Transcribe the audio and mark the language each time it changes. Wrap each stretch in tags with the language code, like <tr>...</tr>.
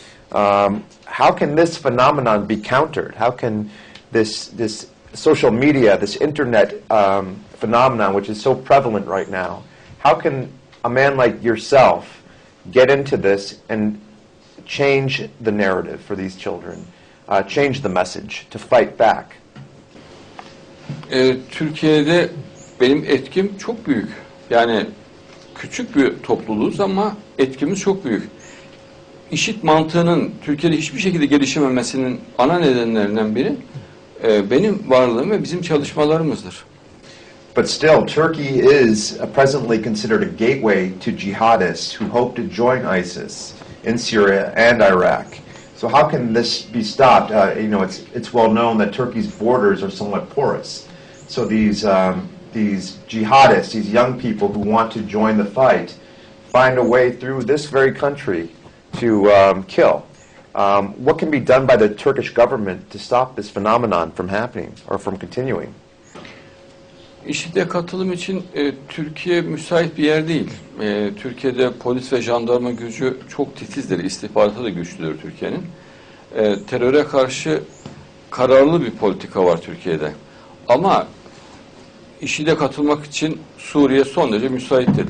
<en>How can this phenomenon be countered? How can this social media, this internet phenomenon, which is so prevalent right now, how can a man like yourself get into this and change the narrative for these children, change the message to fight back?</en> <tr>Türkiye'de benim etkim çok büyük. Yani küçük bir topluluğuz ama etkimiz çok büyük. IŞİD mantığının Türkiye'de hiçbir şekilde gelişememesinin ana nedenlerinden biri benim varlığım ve bizim çalışmalarımızdır.</tr> <en>But still, Turkey is presently considered a gateway to jihadists who hope to join ISIS in Syria and Iraq. So how can this be stopped? You know, it's well known that Turkey's borders are somewhat porous. So these jihadists, these young people who want to join the fight, find a way through this very country to kill. What can be done by the Turkish government to stop this phenomenon from happening or from continuing?</en> <tr>IŞİD'e katılım için Türkiye müsait bir yer değil. Türkiye'de polis ve jandarma gücü çok titizdir. İstihbaratı da güçlüdür Türkiye'nin. Teröre karşı kararlı bir politika var Türkiye'de. Ama IŞİD'e katılmak için Suriye son derece müsaittir.</tr>